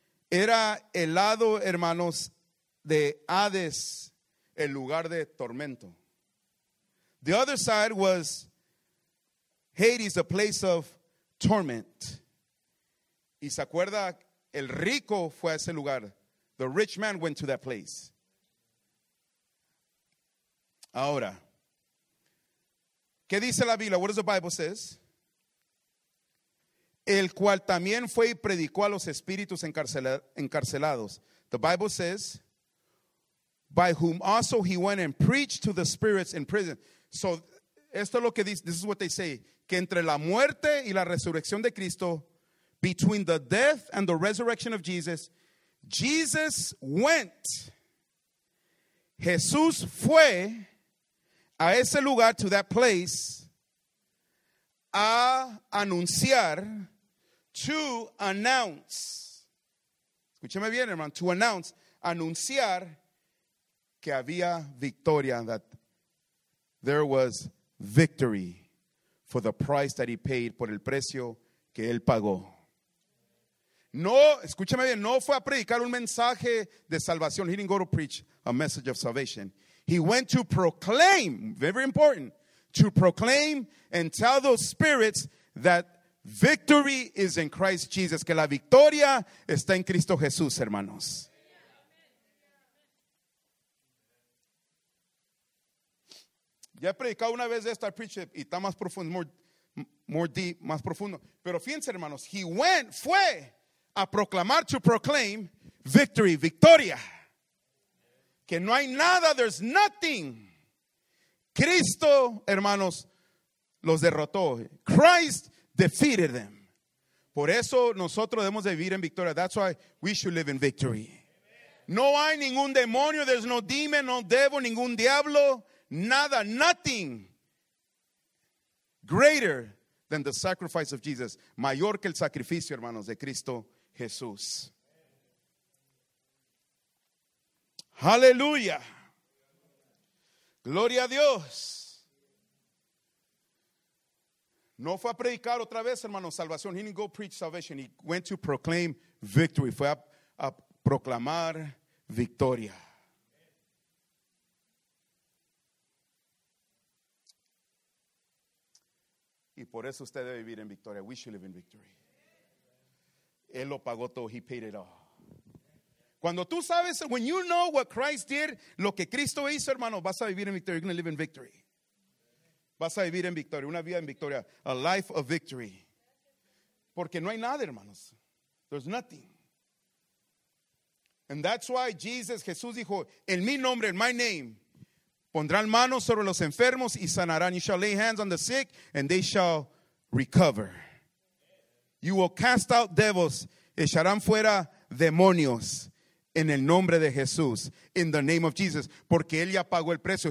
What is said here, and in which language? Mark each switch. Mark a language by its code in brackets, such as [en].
[es] Era el lado, hermanos, de Hades, el lugar de tormento. [en] The other side was Hades, the place of torment. [es] Y se acuerda, el rico fue a ese lugar. [en] The rich man went to that place. [es] Ahora, ¿qué dice la Biblia? [en] What does the Bible say? [es] El cual también fue y predicó a los espíritus encarcelados. [en] The Bible says, by whom also he went and preached to the spirits in prison. [es] So, esto es lo que dice, [en] this is what they say, [es] que entre la muerte y la resurrección de Cristo, [en] between the death and the resurrection of Jesus, Jesus went, [es] Jesús fue a ese lugar, [en] to that place, [es] a anunciar, [en] to announce, [es] escúcheme bien, hermano, [en] to announce, [es] anunciar que había victoria, [en] that there was victory for the price that he paid, [es] por el precio que él pagó. No, escúcheme bien, no fue a predicar un mensaje de salvación. [en] He didn't go to preach a message of salvation. He went to proclaim, very important, to proclaim and tell those spirits that victory is in Christ Jesus. [es] Que la victoria está en Cristo Jesús, hermanos. Ya he predicado una vez esto, [en] I preached it, [es] y está más profundo, [en] more deep, [es] más profundo. Pero fíjense, hermanos, [en] he went, [es] fue a proclamar, [en] to proclaim victory, [es] victoria. Que no hay nada, [en] there's nothing. [es] Cristo, hermanos, los derrotó. [en] Christ defeated them. [es] Por eso nosotros debemos de vivir en victoria. [en] That's why we should live in victory. [es] No hay ningún demonio. [en] There's no demon, no devil, [es] ningún diablo. Nada, [en] nothing greater than the sacrifice of Jesus. [es] Mayor que el sacrificio, hermanos, de Cristo Jesús. Aleluya. Gloria a Dios. No fue a predicar otra vez, hermanos, salvación. [en] He didn't go preach salvation. He went to proclaim victory. [es] Fue a proclamar victoria. Y por eso usted debe vivir en victoria. [en] We should live in victory. [es] Él lo pagó todo. [en] He paid it all. [es] Cuando tú sabes, [en] when you know what Christ did, [es] lo que Cristo hizo, hermano, vas a vivir en victoria. [en] You're going to live in victory. [es] Vas a vivir en victoria. Una vida en victoria. [en] A life of victory. [es] Porque no hay nada, hermanos. [en] There's nothing. And that's why Jesus, [es] Jesús dijo, en mi nombre, [en] in my name, [es] pondrán manos sobre los enfermos y sanarán. [en] You shall lay hands on the sick and they shall recover. You will cast out devils. [es] Echarán fuera demonios. En el nombre de Jesús, [en] in the name of Jesus, [es] porque él ya pagó el precio.